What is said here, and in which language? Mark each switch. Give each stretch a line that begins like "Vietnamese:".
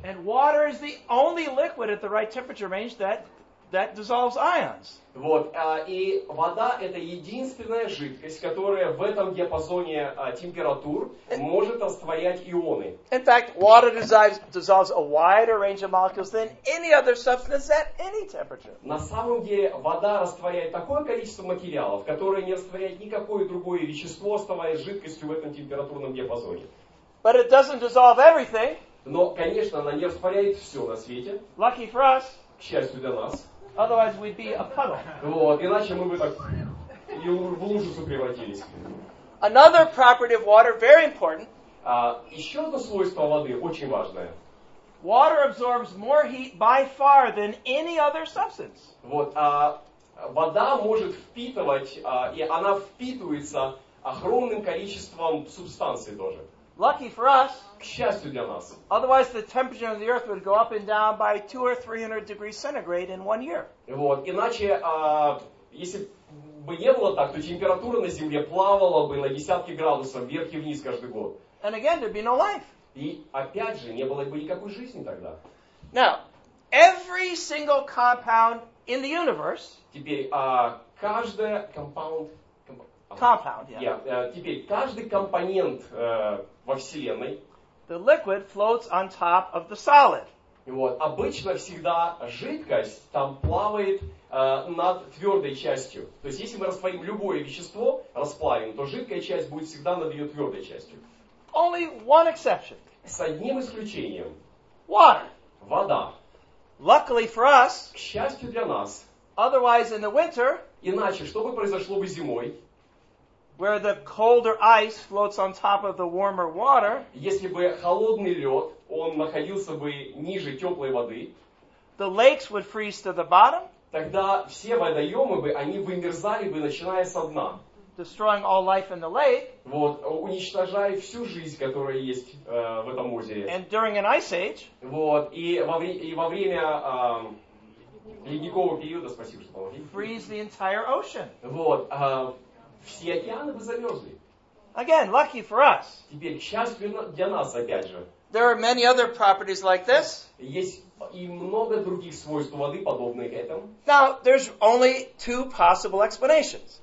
English: And water is the only liquid at the right temperature range that dissolves ions.
Russian: Вот, и вода это единственная жидкость, которая в этом диапазоне температур может растворять ионы.
English: In fact, water dissolves a wider range of molecules than any other substance at any temperature.
Russian: На самом деле, вода растворяет такое количество материалов, которое не растворяет никакое другое вещество, оставаясь жидкостью в этом температурном диапазоне.
English: But it doesn't dissolve everything.
Russian: Но, конечно, она не растворяет все на свете.
English: Lucky for us.
Russian: К счастью для нас.
English: Otherwise we'd be a puddle.
Russian: Вот, иначе мы бы так в лужицу превратились.
English: Another property of water, very important.
Russian: Еще одно свойство воды очень важное.
English: Water absorbs more heat by far than any other substance.
Russian: Вот, вода может впитывать, и она впитывается огромным количеством субстанций тоже.
English: Lucky for us.
Russian: К счастью для нас.
English: Otherwise, the temperature of the Earth would go up and down by 200 or 300 degrees centigrade in one year.
Russian: Вот, иначе, если бы не было так, то температура на Земле плавала бы на десятки градусов вверх и вниз каждый год.
English: And again, there'd be no life.
Russian: И опять же, не было бы никакой жизни тогда.
English: Now, every single compound in the universe.
Russian: Теперь, каждая компаунд.
English: Compound, yeah. Yeah.
Russian: Теперь каждый компонент во Вселенной.
English: The liquid floats on top of the solid.
Russian: Вот обычно всегда жидкость там плавает над твердой частью. То есть если мы растворим любое вещество, расплавим, то жидкая часть будет всегда над ее твердой частью.
English: Only one exception.
Russian: С одним исключением.
English: Water.
Russian: Вода.
English: Luckily for us.
Russian: К счастью для нас.
English: Otherwise in the winter.
Russian: Иначе что бы произошло бы зимой?
English: Where the colder ice floats on top of the warmer water.
Russian: Если бы холодный лед, он находился бы ниже теплой воды.
English: The lakes would freeze to the bottom.
Russian: Тогда все водоемы бы, они вымерзали бы, начиная со дна.
English: Destroying all life in the lake.
Russian: Вот, уничтожая всю жизнь, которая есть в этом озере.
English: And during an ice age.
Russian: Вот, и во время ледникового периода, спасибо, что помогли.
English: Freeze the entire ocean.
Russian: Вот, все океаны бы замерзли.
English: Again, lucky for us.
Russian: Теперь, к счастью для нас, опять же.
English: There are many other properties like this.
Russian: Есть и много других свойств воды, подобных этому.
English: Now, there's only two possible explanations.